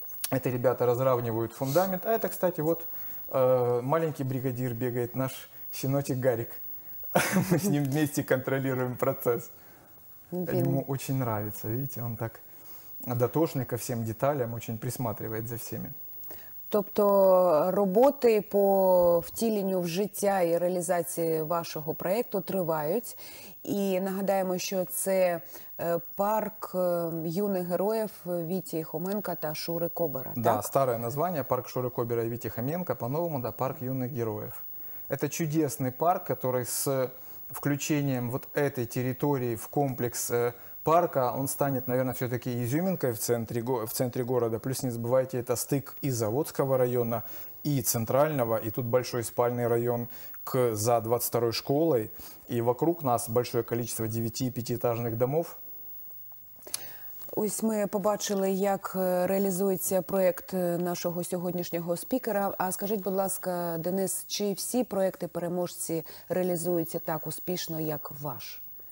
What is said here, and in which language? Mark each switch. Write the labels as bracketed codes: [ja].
[ru] Это ребята разравнивают фундамент. А это, кстати, вот маленький бригадир бегает, наш щеночек Гарик. Мы с ним вместе контролируем процесс. Ему очень нравится, видите, он так дотошный ко всем деталям, очень присматривает за всеми. [uk] Тобто роботи по втіленню в життя і реалізації вашого проєкту тривають. І нагадаємо, що це парк юних героїв Віті Хоменка та Шури Кобера. Да, старе названня, парк Шури Кобера і Віті Хоменка, по-новому, да, парк юних героїв. Це чудесний парк, який з включенням вот цієї території в комплекс парка, [ru] он станет, наверное, все-таки изюминкой в центре города. Плюс не забывайте, это стык и Заводского района, и Центрального. И тут большой спальный район за 22-й школой. И вокруг нас большое количество 9-5-этажных домов. [uk] Ось ми побачили, як реалізується проєкт нашого сьогоднішнього спікера. А скажіть, будь ласка, Денис, чи всі проєкти-переможці реалізуються так успішно, як ваш?